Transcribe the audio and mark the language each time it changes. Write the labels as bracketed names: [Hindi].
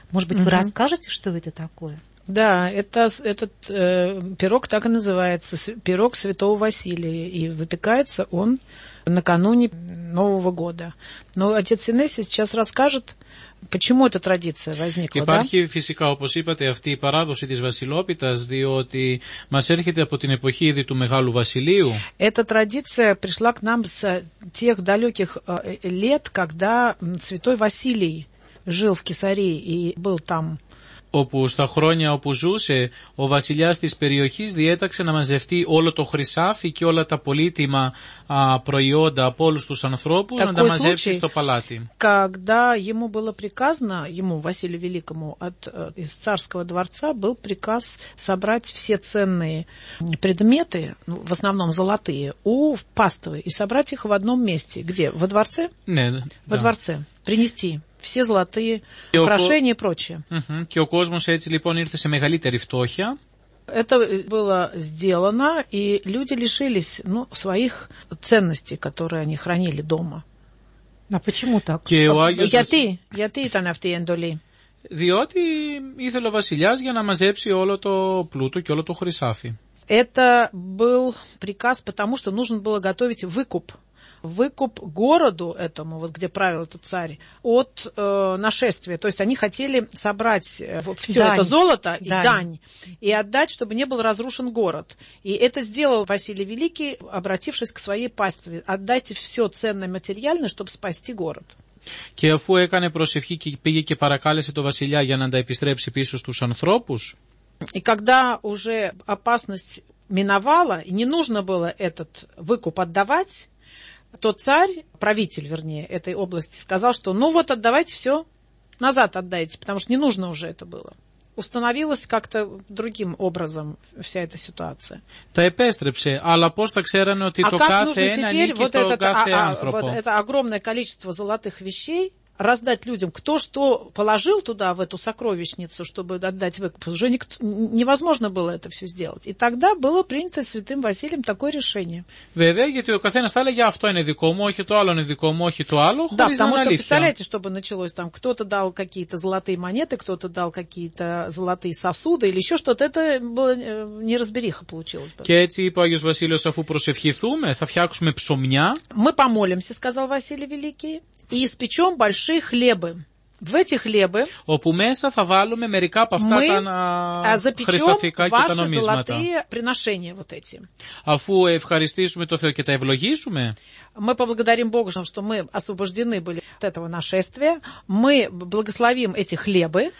[Russian] Может быть, вы расскажете, что это такое? Да, этот пирог так и называется, пирог Святого Василия, и выпекается он накануне Нового года. Но отец Инесси сейчас расскажет, почему эта традиция возникла, [Greek] Υπάρχει, [Russian] да? [Greek] Φυσικά, όπως είπατε, αυτή η παράδοση της Βασιλόπιτας, διότι μας έρχεται από την εποχή ήδη του Μεγάλου Βασιλείου. [Russian] Эта традиция пришла к нам с тех далеких лет, когда Святой Василий жил в Кесарии и был там. [Greek] Όπου στα χρόνια όπου ζούσε, ο βασιλιάς της περιοχής διέταξε να μαζευτεί όλο το χρυσάφι και όλα τα πολύτιμα προϊόντα από όλους τους ανθρώπους να τα μαζέψει στο παλάτι. [Russian] Когда ему было приказано, ему, Василию Великому, из царского дворца был приказ собрать все ценные предметы, в основном золотые, у паствы и собрать их в одном месте. Где? Во дворце? [Greek] Ναι, [Russian] во дворце. Принести. Все золотые украшения и прочее. [Greek] Και ο κόσμος έτσι λοιπόν ήρθε σε μεγαλύτερη φτώχεια. [Russian] Это было сделано, и люди лишились своих ценностей, которые они хранили дома. А почему так? [Greek] Γιατί ήταν αυτή η εντολή? Διότι ήθελε ο βασιλιάς για να μαζέψει όλο το πλούτο και όλο το χρυσάφι. [Russian] Это был приказ, потому что нужно было готовить выкуп. Выкуп городу этому, вот где правил этот царь, от нашествия. То есть они хотели собрать все дань. Это золото и дань, и отдать, чтобы не был разрушен город. И это сделал Василий Великий, обратившись к своей пастве. Отдайте все ценное материальное, чтобы спасти город. [Greek] Και αφού έκανε προσευχή και πήγε και παρακάλεσε το βασιλιά για να τα επιστρέψει πίσω στους ανθρώπους. [Russian] И когда уже опасность миновала, и не нужно было этот выкуп отдавать, то царь, правитель, вернее, этой области, сказал, что ну вот отдавайте все, назад отдайте, потому что не нужно уже это было. Установилась как-то другим образом вся эта ситуация. [Greek] Та эпестрепсе, алла поста ксерано, ты то кафе, а не кисто кафе. [Russian] Вот это огромное количество золотых вещей, а раздать людям, кто что положил туда, в эту сокровищницу, чтобы отдать выкуп, уже никто, невозможно было это все сделать. И тогда было принято святым Василием такое решение. Да, потому что, представляете, чтобы началось там, кто-то дал какие-то золотые монеты, кто-то дал какие-то золотые сосуды или еще что-то, это было неразбериха получилось бы. [Greek] Και έτσι είπε ο Άγιος Βασίλειος, αφού προσευχηθούμε, θα φτιάξουμε ψωμιά. [Russian] Мы помолимся, сказал Василий Великий, и испечем большие хлебы. В эти хлебы [Greek] όπου μέσα θα βάλουμε μερικά από αυτά [Russian] мы [Greek] τα χρυσταφικά και τα νομίσματα. [Russian] Ваши золотые приношения вот эти. [Greek] Αφού ευχαριστήσουμε το Θεό και τα ευλογήσουμε. [Russian] Мы поблагодарим Бога, что мы освобождены были от этого нашествия. Мы благословим эти хлебы